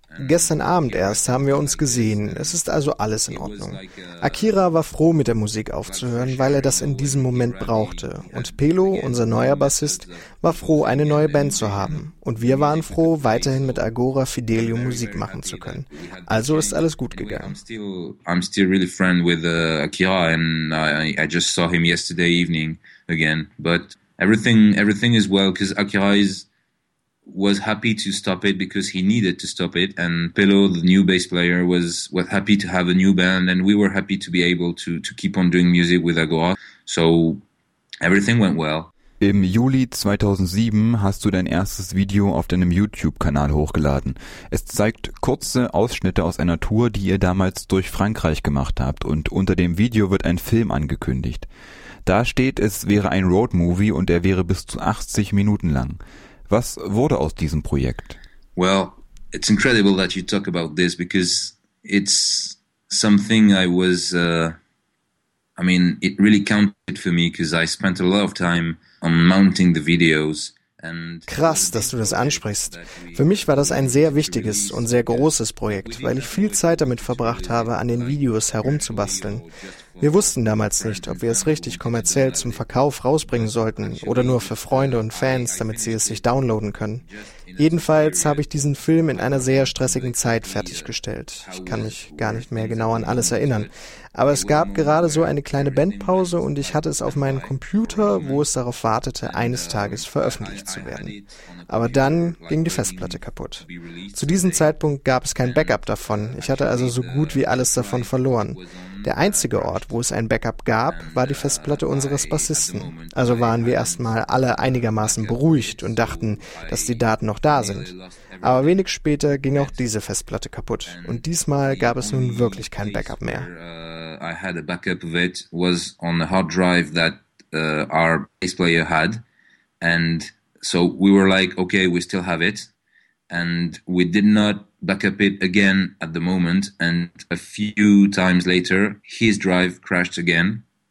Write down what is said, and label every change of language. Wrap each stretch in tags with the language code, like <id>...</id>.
<de>Gestern Abend erst haben wir uns gesehen. Es ist also alles in Ordnung. Akira war froh, mit der Musik aufzuhören, weil er das in diesem Moment brauchte. Und Pelo, unser neuer Bassist, war froh, eine neue Band zu haben. Und wir waren froh, weiterhin mit Agora Fidelio Musik machen zu können. Also ist alles gut gegangen.</de> <en>I'm still really friend with Akira and I just saw him yesterday evening again. But everything is well, because Akira was happy to stop it because he needed to stop it, and Pelo, the new bass player, was happy to have a new band, and we were happy to be able to keep on doing music with Agora. So everything went well.</en> <de>Im Juli 2007 hast du dein erstes Video auf deinem YouTube-Kanal hochgeladen. Es zeigt kurze Ausschnitte aus einer Tour, die ihr damals durch Frankreich gemacht habt, und unter dem Video wird ein Film angekündigt. Da steht, es wäre ein Roadmovie und er wäre bis zu 80 Minuten lang. Was wurde aus diesem Projekt?</de> <en>Well, it's incredible that you talk about this, because it's something I was, it really counted for me, because I spent a lot of time on mounting the videos.</en> <de>Krass, dass du das ansprichst. Für mich war das ein sehr wichtiges und sehr großes Projekt, weil ich viel Zeit damit verbracht habe, an den Videos herumzubasteln. Wir wussten damals nicht, ob wir es richtig kommerziell zum Verkauf rausbringen sollten oder nur für Freunde und Fans, damit sie es sich downloaden können. Jedenfalls habe ich diesen Film in einer sehr stressigen Zeit fertiggestellt. Ich kann mich gar nicht mehr genau an alles erinnern. Aber es gab gerade so eine kleine Bandpause und ich hatte es auf meinem Computer, wo es darauf wartete, eines Tages veröffentlicht zu werden. Aber dann ging die Festplatte kaputt. Zu diesem Zeitpunkt gab es kein Backup davon. Ich hatte also so gut wie alles davon verloren. Der einzige Ort, wo es ein Backup gab, war die Festplatte unseres Bassisten. Also waren wir erstmal alle einigermaßen beruhigt und dachten, dass die Daten noch da sind. Aber wenig später ging auch diese Festplatte kaputt. Und diesmal gab es nun wirklich kein Backup mehr.</de> <en>I had a backup of it, was on the hard drive that our bass player had. And so we were like, okay, we still have it. And we did not backup it again at the moment. And a few times later, his drive crashed again.</en>